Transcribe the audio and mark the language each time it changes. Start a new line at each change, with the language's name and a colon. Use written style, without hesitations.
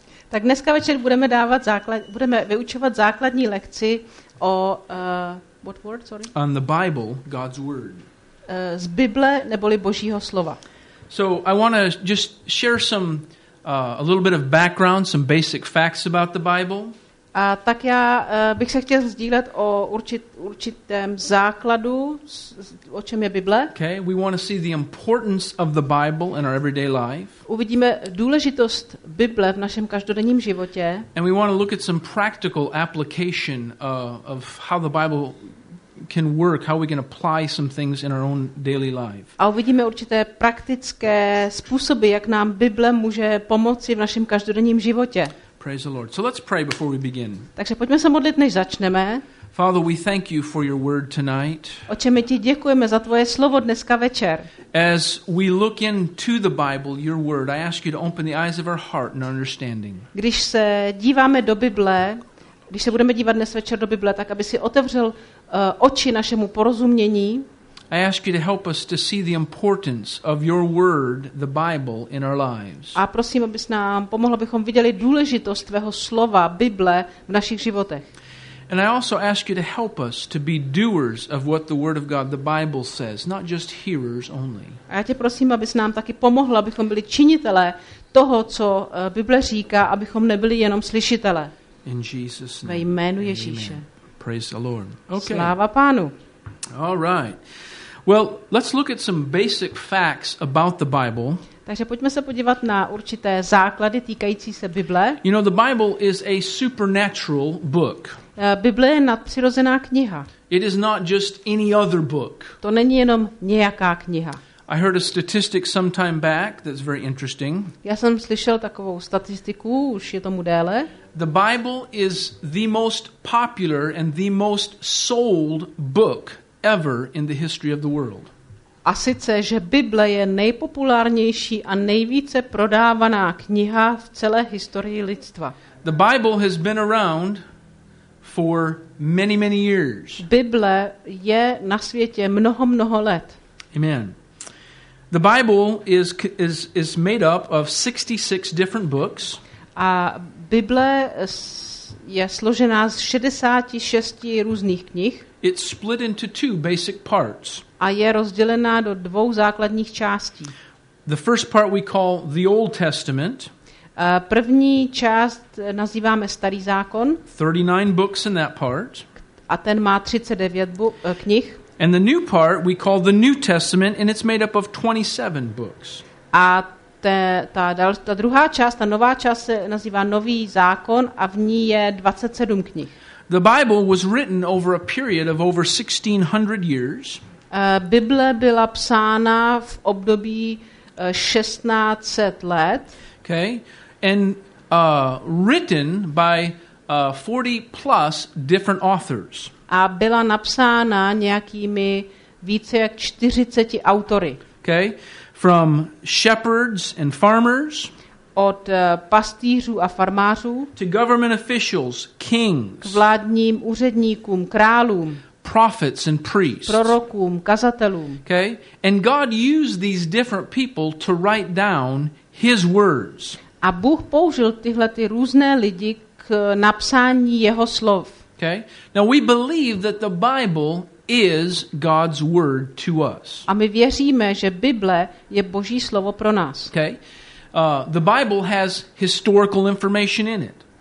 Czech: Tak dneska večer budeme dávat budeme vyučovat základní lekci o
English: what word, sorry? On the Bible, God's Word.
Czech: Z Bible neboli Božího slova.
English: So I want to just share some a little bit of background, some basic facts about the Bible.
Czech: A tak já bych se chtěl sdílet o určitém základu, o čem je Bible.
English: Okay, we want to see the importance of the Bible in our everyday life.
Czech: Uvidíme důležitost Bible v našem každodenním životě.
English: And we want to look at some practical application of how the Bible can work, how we can apply some things in our own daily life.
Czech: A uvidíme určité praktické způsoby, jak nám Bible může pomoci v našem každodenním životě.
English: Praise the Lord. So let's pray before we begin.
Czech: Takže pojďme se modlit, než začneme.
English: Father, we thank you for your word tonight.
Czech: Otče, my ti děkujeme za tvoje slovo dneska večer.
English: As we look into the Bible, your word, I ask you to open the eyes of our heart and understanding.
Czech: Když se díváme do Bible, když se budeme dívat dnes večer do Bible, tak aby si otevřel oči našemu porozumění.
English: I ask you to help us to see the importance of your word, the Bible, in our lives.
Czech: A prosím, abys nám pomohl, abychom viděli důležitost tvého slova, Bible, v našich životech.
English: And I also ask you to help us to be doers of what the word of God, the Bible, says, not just hearers only.
Czech: A já tě prosím, abys nám taky pomohl, abychom byli činitelé toho, co Bible říká, abychom nebyli jenom slyšitelé.
English: In Jesus' name.
Czech: Ve jménu Ježíše.
English: Praise the Lord.
Czech: Okay. Sláva Pánu.
English: All right. Well, let's look at some basic facts about the Bible.
Czech: Takže pojďme se podívat na určité základy týkající se Bible.
English: You know, the Bible is a supernatural book.
Czech: Bible je nadpřirozená kniha.
English: It is not just any other book.
Czech: To není jenom nějaká kniha.
English: I heard a statistic some time back that's very interesting.
Czech: Já jsem slyšel takovou statistiku, už je tomu déle.
English: The Bible is the most popular and the most sold book ever in the history of the world.
Czech: A sice, že Bible je nejpopulárnější a nejvíce prodávaná kniha v celé historii lidstva.
English: The Bible has been around for many, many years.
Czech: Bible je na světě mnoho, mnoho let.
English: Amen. The Bible is made up of 66 different books.
Czech: A Bible je složená z 66 různých knih.
English: It's split into two basic parts.
Czech: A je rozdělená do dvou základních částí.
English: The first part we call the Old Testament.
Czech: První část nazýváme Starý zákon.
English: 39 books in that part.
Czech: A ten má 39 knih.
English: And the new part we call the New Testament, and it's made up of 27 books.
Czech: A ta druhá část, ta nová část se nazývá Nový zákon a v ní je 27 knih.
English: The Bible was written over a period of over 1600 years.
Czech: Bible byla psána v období 1600 let.
English: Okay. And written by 40 plus different authors.
Czech: A byla napsána nějakými více jak 40 autory.
English: Okay. From shepherds and farmers.
Czech: Od pastýřů a farmářů.
English: To government officials, kings.
Czech: K vládním úředníkům, králům.
English: Prophets and priests.
Czech: Prorokům, kazatelům.
English: Okay. And God used these different people to write down his words.
Czech: A Bůh použil tyhle ty různé lidi k napsání jeho slov.
English: Okay. Now we believe that the Bible is God's word to us.
Czech: A my věříme, že Bible je Boží slovo pro nás.
English: Okay. The Bible has historical information in it.